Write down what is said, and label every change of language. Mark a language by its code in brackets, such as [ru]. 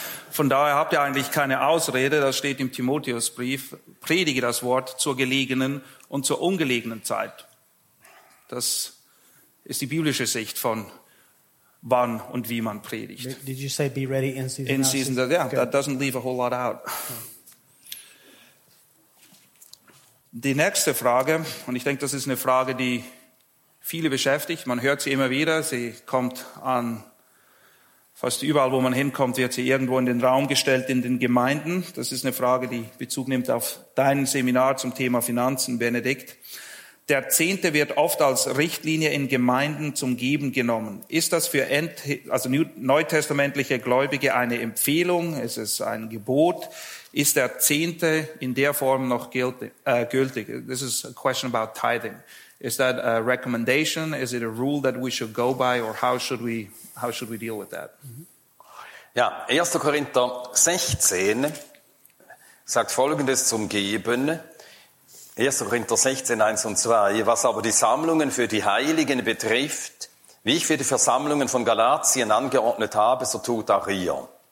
[de] Von daher habt ihr eigentlich keine Ausrede, das steht im Timotheusbrief, predige das Wort zur gelegenen und zur ungelegenen Zeit. Das ist die biblische Sicht von wann und wie man predigt. [en] Did you say be ready in season? In season, season. Yeah, that doesn't leave a whole lot out. [de] Die nächste Frage, und ich denke, das ist eine Frage, die viele beschäftigt. Man hört sie immer wieder, sie kommt an, fast überall, wo man hinkommt, wird sie irgendwo in den Raum gestellt, in den Gemeinden. Das ist eine Frage, die Bezug nimmt auf dein Seminar zum Thema Finanzen, Benedikt. Der Zehnte wird oft als Richtlinie in Gemeinden zum Geben genommen. Ist das für neutestamentliche Gläubige eine Empfehlung? Ist es ein Gebot? Ist der Zehnte in der Form noch gültig? [en] This is a question about tithing. Is that a recommendation? Is it a rule that we should go by? Or how should we deal with that? [de] Ja, 1. Korinther 16 sagt Folgendes zum Geben. 1. Korinther 16, 1 und 2. Was aber die Sammlungen für die Heiligen betrifft, wie ich für die Versammlungen von Galatien angeordnet habe, so tut auch ihr.